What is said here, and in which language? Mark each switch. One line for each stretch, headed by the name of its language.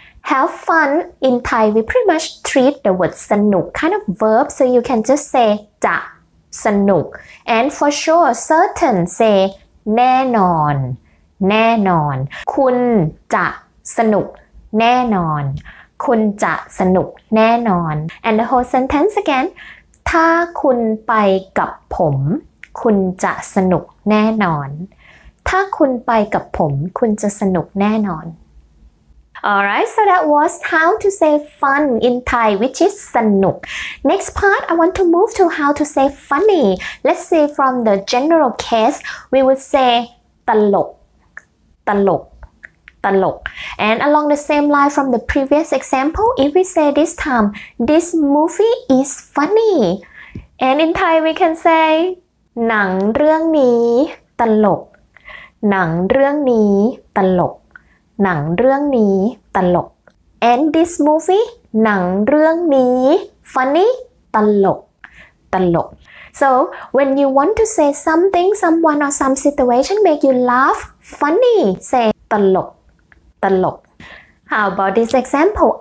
English: Have fun in Thai we pretty much treat the word สนุก kind of verb so you can just say
Thai: จะสนุก
English: And for sure certain say
Thai: แน่นอนแน่นอนคุณจะสนุกแน่นอนคุณจะสนุกแน่นอน
English: And the whole sentence again
Thai: ถ้าคุณไปกับผมคุณจะสนุกแน่นอน ถ้าคุณไปกับผมคุณจะสนุกแน่นอน
English: Alright, so that was how to say fun in Thai, which is สนุก Next part, I want to move to how to say funny. Let's say from the general case, we would say
Thai: ตลกตลกตลก
English: And along the same line from the previous example, if we say this time, this movie is funny. And in Thai, we can say,
Thai: หนังเรื่องนี้ตลกหนังเรื่องนี้ตลกหนังเรื่องนี้ตลก
English: And this movie,
Thai: หนังเรื่องนี้
English: funny,
Thai: ตลกตลก
English: So, when you want to say something, someone or some situation make you laugh, funny, say
Thai: ตลก ตลก
English: How about this example?